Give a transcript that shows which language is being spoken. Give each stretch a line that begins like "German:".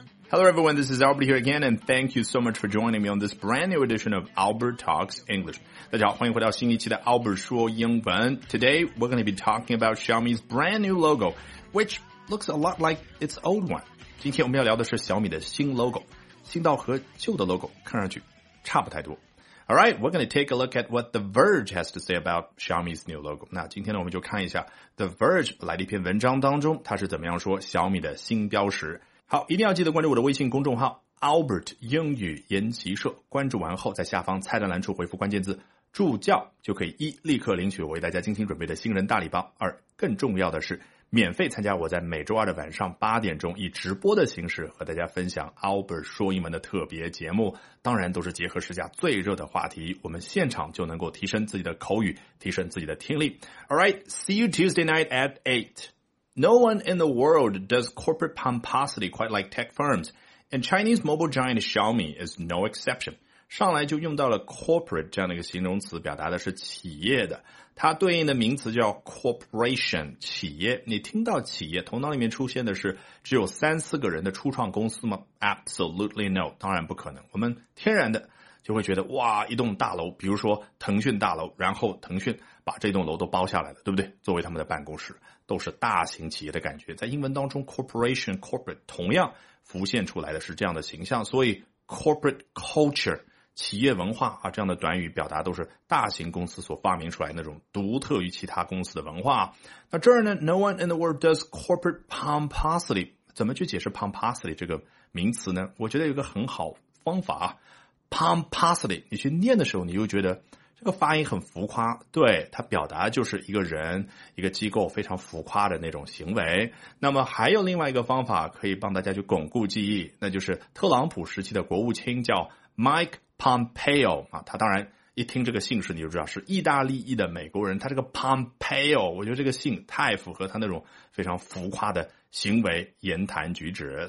English: Hello everyone, this is Albert here again, and thank you so much for joining me on this brand new edition of Albert Talks English.
Chinese: 大家好，欢迎回到新一期的 Albert 说英文。
English: Today, we're going to be talking about Xiaomi's brand new logo, which looks a lot like its old one.
Chinese: 今天我们要聊的是小米的新 logo, 新到和旧的 logo 看上去差不太多。
English: Alright, we're going to take a look at what The Verge has to say about Xiaomi's new logo.
Chinese: 那今天呢，我们就看一下 The Verge 来的一篇文章当中，它是怎么样说小米的新标识。好，一定要记得关注我的微信公众号 Albert 英语研习社，关注完后在下方菜单栏处回复关键字助教，就可以一立刻领取我为大家精心准备的新人大礼包，二更重要的是免费参加我在每周二的晚上八点钟以直播的形式和大家分享 Albert 说英文的特别节目，当然都是结合时下最热的话题，我们现场就能够提升自己的口语，提升自己的听力。
English: Alright, see you Tuesday night at 8. No one in the world does corporate pomposity quite like tech firms, and Chinese mobile giant Xiaomi is no exception.
Chinese: 上来就用到了 corporate 这样的一个形容词，表达的是企业的，它对应的名词叫 corporation, 企业。你听到企业，头脑里面出现的是只有三四个人的初创公司吗？
English: Absolutely no,
Chinese: 当然不可能。我们天然的就会觉得，哇，一栋大楼，比如说腾讯大楼，然后腾讯把这栋楼都包下来了，对不对？作为他们的办公室，都是大型企业的感觉。在英文当中 corporation, corporate 同样浮现出来的是这样的形象，所以 corporate culture, 企业文化啊，这样的短语表达都是大型公司所发明出来那种独特于其他公司的文化。那这儿呢，
English: no one in the world does corporate pomposity,
Chinese: 怎么去解释 pomposity 这个名词呢？我觉得有个很好方法啊， pomposity, 你去念的时候你又觉得这个发音很浮夸，对，它表达就是一个人一个机构非常浮夸的那种行为。那么还有另外一个方法可以帮大家去巩固记忆，那就是特朗普时期的国务卿叫 Mike Pompeo、啊、他当然一听这个姓氏你就知道是意大利裔的美国人，他这个 Pompeo 我觉得这个姓太符合他那种非常浮夸的行为言谈举止。